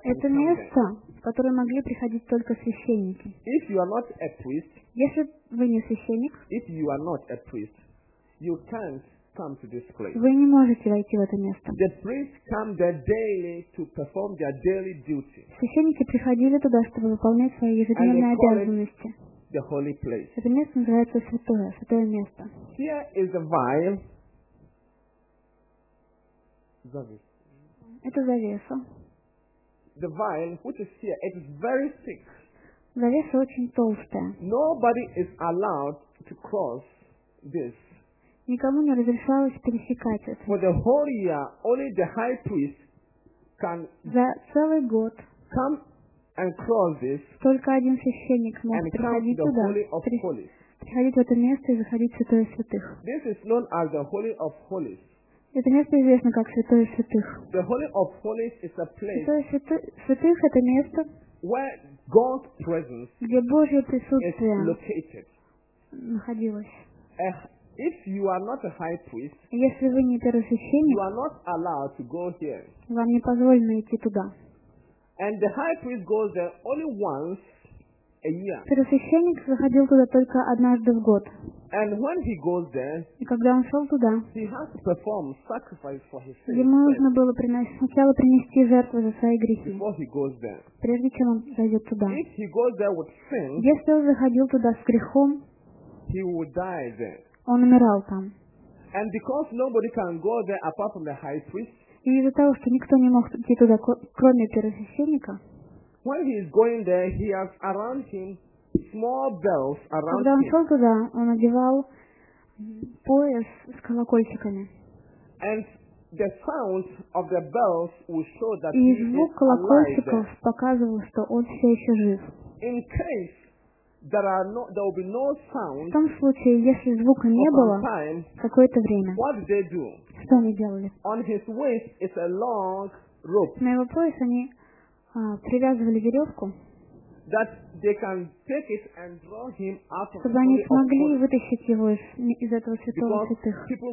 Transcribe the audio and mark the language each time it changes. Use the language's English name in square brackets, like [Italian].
[Russian] Это место, в которое могли приходить только священники. [English] If you are not a priest. [Russian] Если вы не священник. [English] If you are not a priest, you can't. [Russian] Вы не можете войти в это место. [English] The priests come there daily to perform their daily duty. [Russian] Священники приходили туда, чтобы выполнять свои ежедневные обязанности. [English] The holy place. [Russian] Это место называется святое, святое место. [English] Here is a vial. Zavis. Mm-hmm. [Russian] Это завеса. [English] The vine which is here, it is very thick. [Russian] Завеса очень толстая. [English] Nobody is allowed to cross this. [Russian] Никому не разрешалось пересекать это. [English] For the whole year, only the high priest can. [Russian] За целый год. [English] Come and cross this. [Russian] Только один священник мог приходить туда. [English] And come to the Holy of Holies. [Russian] Приходить в это место и заходить в Святое Святых. [English] This is known as the Holy of Holies. [Russian] Это место известно как Святое Святых. [English] The Holy of Holies is a place. [Russian] Святое Святых — это место, [English] where God's presence, [Russian] где Божье присутствие, [English] is located. [Russian] Находилось. [English] If you are not a high priest, [Russian] если вы не первосвященник, [English] you are not allowed to go here. [Russian] Вам не позволено идти туда. [English] And the high priest goes there only once. [Russian] Первосвященник заходил туда только однажды в год. [English] And when he goes there, [Russian] и когда он шел туда, [English] he has to perform sacrifice for his sins. [Russian] Ему нужно было сначала принести жертву за свои грехи, [English] before he goes there. [Russian] Прежде чем он зайдет туда. [English] If he goes there with sin, [Russian] если он заходил туда с грехом, [English] he would die there. [Russian] Он умирал там. [English] And because nobody can go there apart from the high priest, [Russian] и из-за того, что никто не мог идти туда, кроме первосвященника, [English] when he is going there, he has around him small bells around [Russian] him. Когда он шел туда, он одевал пояс с колокольчиками. [English] And the sound of the bells will show that he is alive. [Russian] И звук колокольчиков показывал, что он все еще жив. [English] In case there will be no sound. [Russian] В том случае, если звука не было какое-то время. [English] What did they do? [Russian] Что они делали? [English] On his waist is a long rope. [Russian] На его пояс они привязывали веревку, [English] that they can take it and draw him out of, [Russian] чтобы они смогли вытащить его из этого святого святых.